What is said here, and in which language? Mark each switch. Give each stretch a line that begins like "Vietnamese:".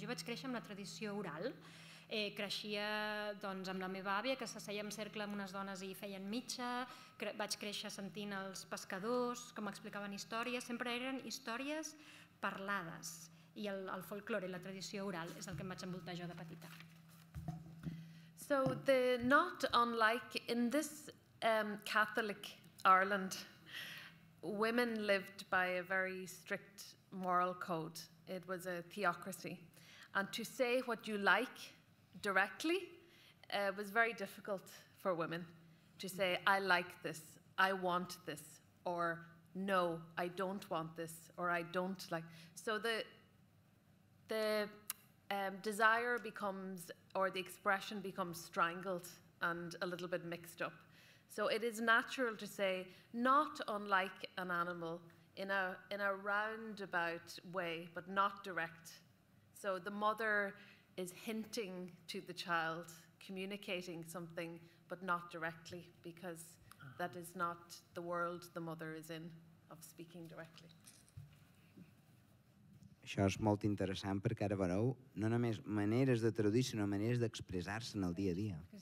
Catalan: Jo vaig créixer amb la tradició oral. Creixia doncs, amb la meva àvia, que s'asseia en cercle amb unes dones i feien mitja. Vaig créixer sentint els pescadors, com explicaven històries. Sempre eren històries parlades. I el folclore i la tradició oral és el que em vaig envoltar jo de petita.
English: So the not unlike in this Catholic Ireland, women lived by a very strict moral code. It was a theocracy. And to say what you like directly was very difficult for women. To say, I like this, I want this, or no, I don't want this, or I don't like. So the desire becomes, or the expression becomes strangled and a little bit mixed up. So it is natural to say, not unlike an animal, in a roundabout way, but not direct. So the mother is hinting to the child, communicating something, but not directly, because that is not the world the mother is in, of speaking directly.
Catalan: Això és molt interessant perquè ara veureu no només maneres de traduir, sinó maneres d'expressar-se en el dia a dia.